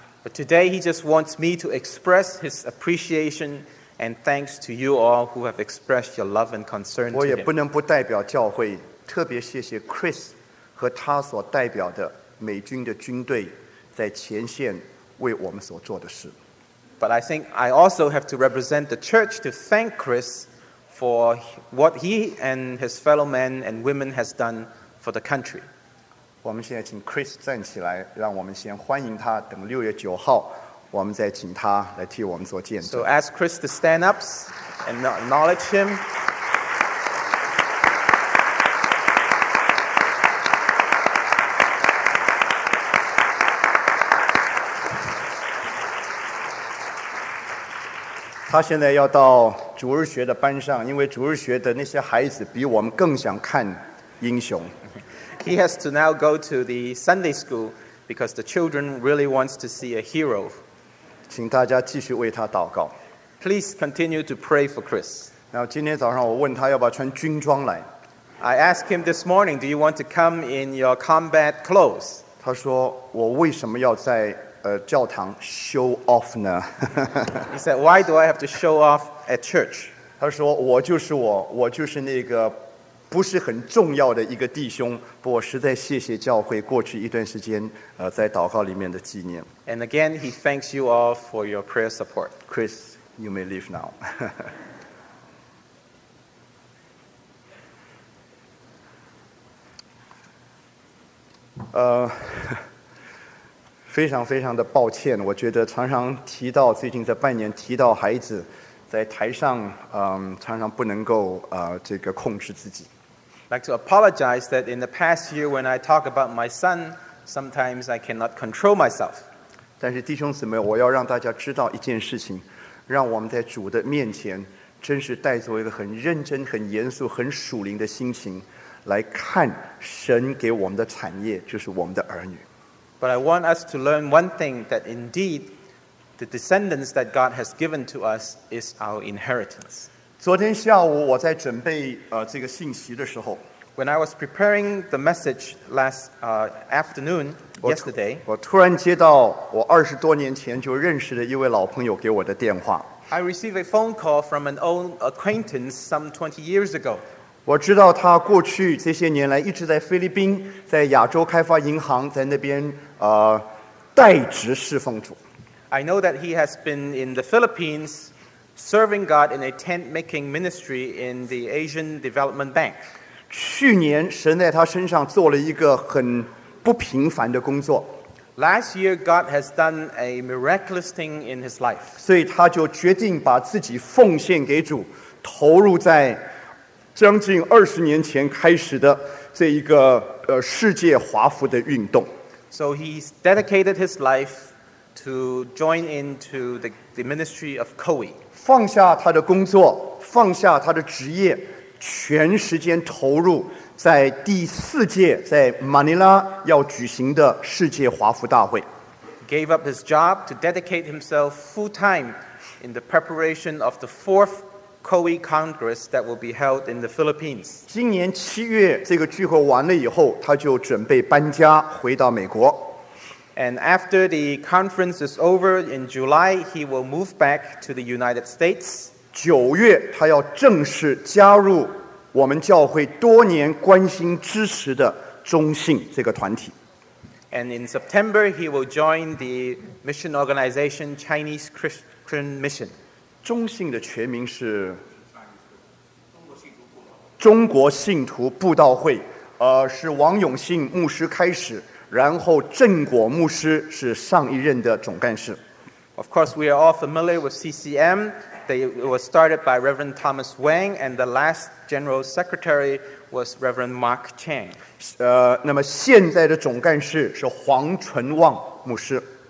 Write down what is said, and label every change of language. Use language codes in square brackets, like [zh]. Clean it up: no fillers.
[en] But today he just wants me to express his appreciation. And thanks to you all who have expressed your love and concern to him. [zh] 我也不能不代表教会，特别谢谢 Chris 和他所代表的美军的军队在前线为我们所做的事。 [en] But I think I also have to represent the church to thank Chris for what he and his fellow men and women has done for the country. [zh] 我们现在请 Chris 站起来，让我们先欢迎他，等6月9号我们再请他来替我们做见证。 [en] So ask Chris to stand up and acknowledge him. [zh] 他现在要到主日学的班上，因为主日学的那些孩子比我们更想看英雄。 [en] He has to now go to the Sunday school because the children really wants to see a hero. [zh] 请大家继续为他祷告。 [en] Please continue to pray for Chris. [zh] 然后今天早上我问他要不要穿军装来。 [en] I asked him this morning, do you want to come in your combat clothes? [zh] 他说我为什么要在教堂 [en] show off [zh] 呢 [en] ？He said, "Why do I have to show off at church?" [zh] 他说，我就是我，我就是那个不是很重要的一个弟兄。不过，实在谢谢教会过去一段时间在祷告里面的纪念。 [en] And again, he thanks you all for your prayer support. Chris, you may leave now. [zh] 非常非常的抱歉，我觉得常常提到最近这半年提到孩子在台上，常常不能够这个控制自己。 [en] I'd like to apologize that in the past year when I talk about my son, sometimes I cannot control myself. [zh] 但是弟兄姊妹，我要让大家知道一件事情，让我们在主的面前真是带着一个很认真、很严肃、很属灵的心情来看神给我们的产业，就是我们的儿女。 [en] But I want us to learn one thing, that indeed the descendants that God has given to us is our inheritance. [zh] 昨天下午我在准备这个信息的时候， [en] When I was preparing the message last afternoon, yesterday, [zh] 我突然接到我二十多年前就认识的一位老朋友给我的电话。 [en] I received a phone call from an old acquaintance some 20 years ago. [zh] 我知道他过去这些年来一直在菲律宾，在亚洲开发银行，在那边代职侍奉主。 [en] I know that he has been in the Philippines serving God in a tent making ministry in the Asian Development Bank. [zh] 去年神在他身上做了一个很不平凡的工作。 [en] Last year God has done a miraculous thing in his life. [zh] 所以他就决定把自己奉献给主，投入在将近二十年前开始的这一个世界华服的运动。 [en] So he's dedicated his life to join into the ministry of COWI. [zh] 放下他的工作，放下他的职业，全时间投入在第四届在马尼拉要举行的世界华服大会。 [en] Gave up his job to dedicate himself full time in the preparation of the fourth. COWI Congress that will be held in the Philippines. [zh] 今年七月这个聚会完了以后，他就准备搬家回到美国。 [en] And after the conference is over in July, he will move back to the United States. [zh] 九月他要正式加入我们教会多年关心支持的中信这个团体。 [en] And in September, he will join the mission organization Chinese Christian Mission. [zh] 中信的全名是中国信徒布道会，是王永信牧师开始，然后郑果牧师是上一任的总干事。 [en] Of course, we are all familiar with CCM. They was started by Reverend Thomas Wang, and the last General Secretary was Reverend Mark Chang. [zh] 那么现在的总干事是黄纯旺牧师。